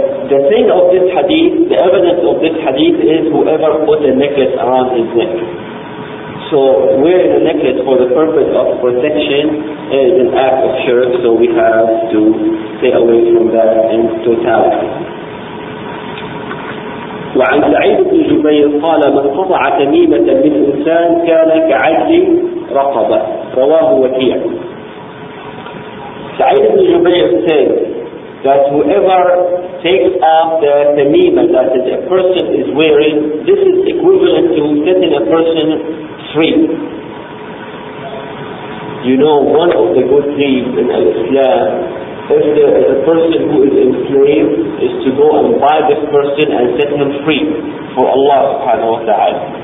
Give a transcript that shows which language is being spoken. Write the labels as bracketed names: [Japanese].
[English] The thing of this hadith, the evidence of this hadith is whoever put a necklace around his neck. So wearing a necklace for the purpose of protection is an act of shirk, so we have to stay away from that in totality. [Arabic] وعن سعيد بن جبير قال من قطع تميمة من إنسان كان كعجل رقبة رواه وكيع. [English] سعيد بن جبير said that whoever takes off the tamima that a person is wearing, this is equivalent to setting a person free. You know, one of the good deeds in Islam, if there is a person who is enslaved, is to go and buy this person and set him free for Allah subhanahu wa ta'ala.